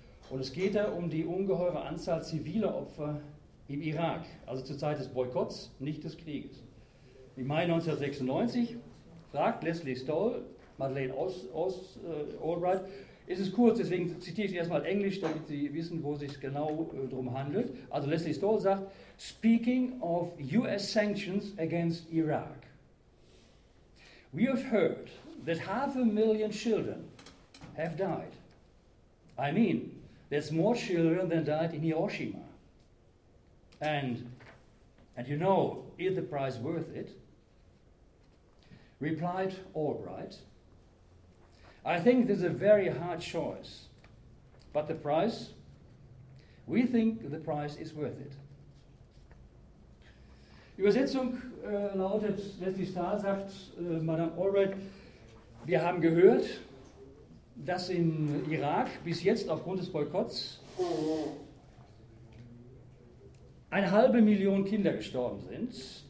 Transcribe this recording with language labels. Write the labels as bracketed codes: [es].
[de] Und es geht da um die ungeheure Anzahl ziviler Opfer im Irak, also zur Zeit des Boykotts, nicht des Krieges. Im Mai 1996 fragt Leslie Stahl, Madeleine Albright, ist es kurz, deswegen zitiere ich erstmal Englisch, damit Sie wissen, wo es sich genau drum handelt. Also Leslie Stahl sagt, [en] speaking of US sanctions against Iraq, we have heard that 500,000 children have died. I mean, there's more children than died in Hiroshima. And you know, is the price worth it? Replied Albright, I think this is a very hard choice, but the price, we think the price is worth it. [de] Übersetzung lautet, Leslie Stahl sagt, Madame Albright, wir haben gehört, dass im Irak bis jetzt aufgrund des Boykotts eine 500,000 Kinder gestorben sind.